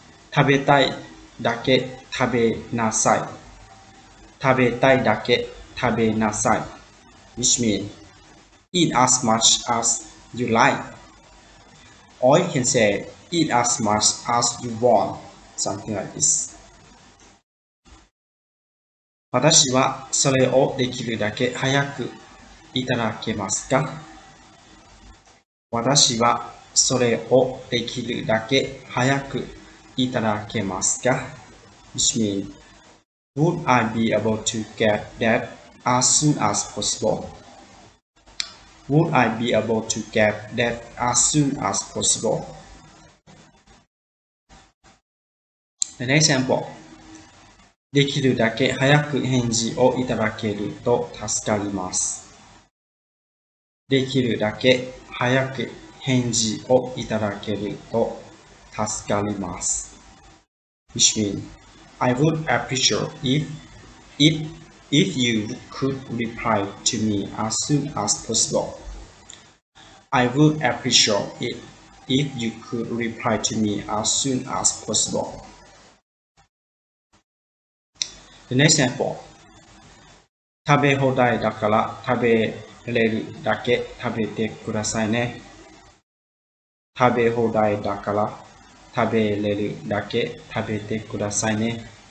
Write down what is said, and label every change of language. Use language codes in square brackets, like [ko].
[ja] Tabetai dake tabenasai. Tabetai dake tabenasai, [en] which means eat as much as you like. Or you can say eat as much as you want, something like this. [ja] 私はそれをできるだけ早くいただけますか？私はそれをできるだけ早くいただけますか？ [en] Which means, would I be able to get that as soon as possible? Would I be able to get that as soon as possible? The next example. [ja] できるだけ早く返事をいただけると助かります。できるだけ早く返事をいただけると助かります。 [en] Which means, I would appreciate if you could reply to me as soon as possible. I would appreciate it if you could reply to me as soon as possible. The next example. [ja] 食べ放題だから食べれるだけ食べてくださいね。食べ放題だから食べれるだけ食べてくださいね。